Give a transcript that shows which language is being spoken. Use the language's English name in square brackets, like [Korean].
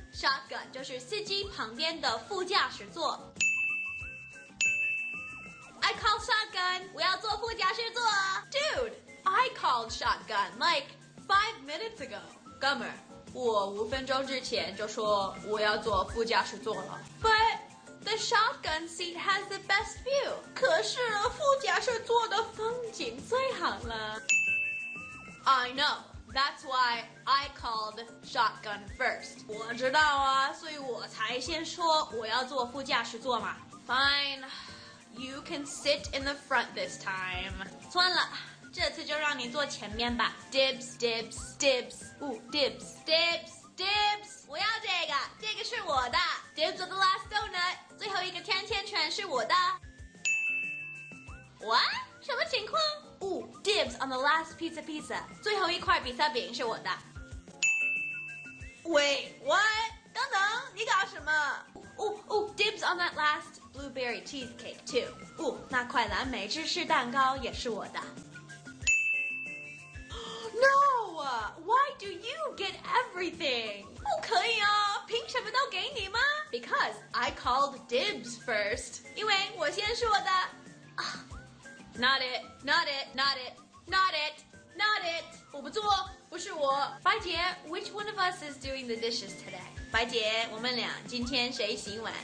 [Chinese] Shotgun 就是司机旁边的副驾驶座。 [English] I call shotgun, [Chinese] 我要坐副驾驶座。 [English] Dude, I called shotgun like 5 minutes ago. [Chinese] 哥们儿，我5分钟之前就说我要坐副驾驶座了。 [English] But the shotgun seat has the best view. [Chinese] 可是副驾驶座的风景最好了。 [English] I know, that's why I called shotgun first. [Chinese] 我知道啊，所以我才先说我要坐副驾驶座嘛。 [English] Fine, you can sit in the front this time. [Chinese] 算了，这次就让你坐前面吧。 [English] Dibs, dibs, dibs. Ooh, dibs, dibs, dibs. [Chinese] 我要这个，这个是我的。 [English] Dibs of the last donut. [Chinese] 最后一个甜甜圈是我的。 [English] What? [Chinese] 什么情况？ [English] Ooh, dibs on the last pizza pizza. [Chinese] 最后一块比萨饼是我的。 [English] Wait, what? [Chinese] 等等，你搞什么？ [English] Ooh, ooh, dibs on that last blueberry cheesecake too. [Chinese] Ooh, 那块蓝莓芝士蛋糕也是我的。 [English] No! Why do you get everything? [Chinese] 不可以啊，凭什么都给你吗？ [English] Because I called dibs first. [Chinese] 因为我先说的。 [English] Not it, not it, not it, not it, not it. [Chinese] 我不做，不是我。 [English] 白洁， which one of us is doing the dishes today? [Chinese] 白洁，我们俩今天谁洗碗？